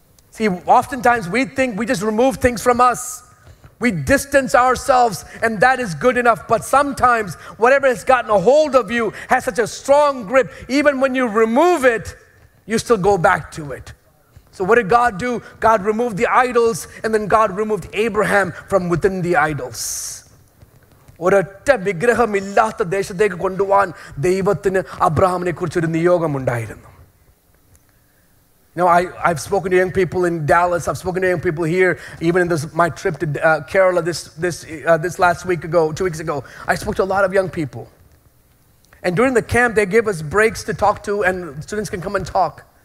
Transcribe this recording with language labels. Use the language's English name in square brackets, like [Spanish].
[English] See, oftentimes we think we just remove things from us. We distance ourselves and that is good enough. But sometimes whatever has gotten a hold of you has such a strong grip. Even when you remove it, you still go back to it. So what did God do? God removed the idols and then God removed Abraham from within the idols. [Malayalam] ഒരൊറ്റ വിഗ്രഹമില്ലാത്ത ദേശത്തേക്ക് കൊണ്ടുപോകാൻ ദൈവത്തിന് അബ്രഹാമിനെ കുറിച്ച് ഒരു നിയോഗം ഉണ്ടായിരുന്നു. [English] Now, I've spoken to young people in Dallas. I've spoken to young people here, even in this, my trip to Kerala this last week ago, 2 weeks ago. I spoke to a lot of young people. And during the camp, they gave us breaks to talk to and students can come and talk.